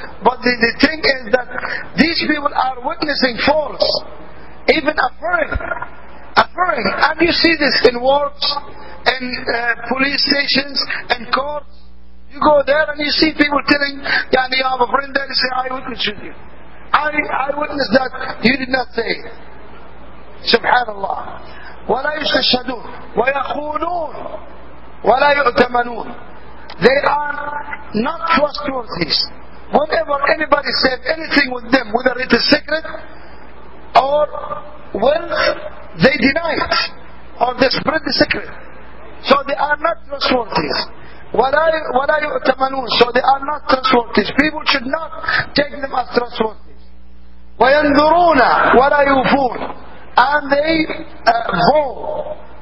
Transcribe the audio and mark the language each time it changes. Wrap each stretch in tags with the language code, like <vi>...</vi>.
<en>But the thing is that these people are witnessing false, even affirming. And you see this in wards, in police stations, in courts. You go there and you see people telling, yeah, you have a friend there, and say, I witness with you. I witness that you did not say. Subhanallah.</en> <ar>وَلَا يُسْتَشْهَدُونَ وَيَخُونُونَ وَلَا يُؤْتَمَنُونَ,</ar> <en>they are not trustworthy. Whenever anybody said anything with them, whether it is secret or wealth, they deny it, or they spread the secret. So they are not trustworthy.</en> <ar>وَلَا يُؤْتَمَنُونَ,</ar> <en>so they are not trustworthy. People should not take them as trustworthy.</en> <ar>وَيَنْذُرُونَ وَلَا يُوفُونَ,</ar> <en>and they vow.</en>